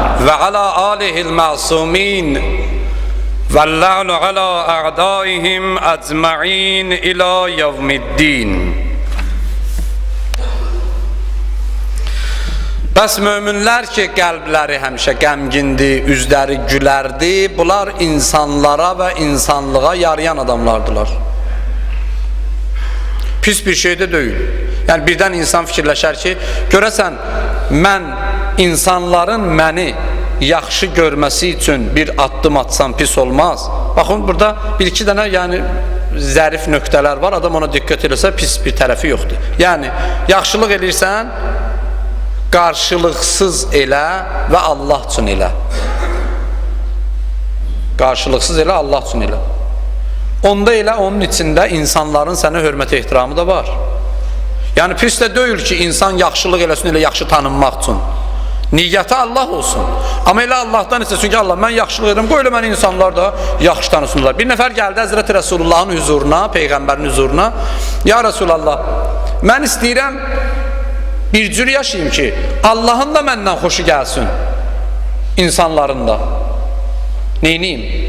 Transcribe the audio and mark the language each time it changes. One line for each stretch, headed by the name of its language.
Arabic: وعلى آله المعصومين واللعن على أعدائهم أجمعين إلى يوم الدين.
Azerbaijani: Bəs möminlər ki qəlbləri həmişə qəmgindi, üzləri gülərdi, bunlar insanlara və insanlığa yarayan adamlardılar. Pis bir şey də deyil. Yəni birdən insan fikirləşər ki görəsən mən insanların məni yaxşı görməsi üçün bir addım atsam pis olmaz. Baxın burada bir iki dənə yəni zərif nöqtələr var. Adam ona diqqət eləsə pis bir tərəfi yoxdur. Yəni yaxşılıq edirsən qarşılıqsız elə və Allah üçün elə. Qarşılıqsız elə Allah üçün elə.
Turkish: onda ile onun içinde insanların sana hürmeti ihtiramı da var. Yani pis de değil
Azerbaijani: ki insan yaxşılıq eləsin, elə yaxşı tanınmaq üçün. Niyyəti Allah olsun. Ama elə Allah'dan istəsin ki Allah mən yaxşılıq edirəm, qoy elə məni insanlar da yaxşı tanısınlar. Bir nəfər gəldi Həzrəti Rəsulullahın huzuruna, Peyğəmbərin huzuruna. Ya Rəsulallah, mən istəyirəm bir cür yaşayayım ki Allah'ın da məndən xoşu gəlsin. İnsanların da. Neyneyim?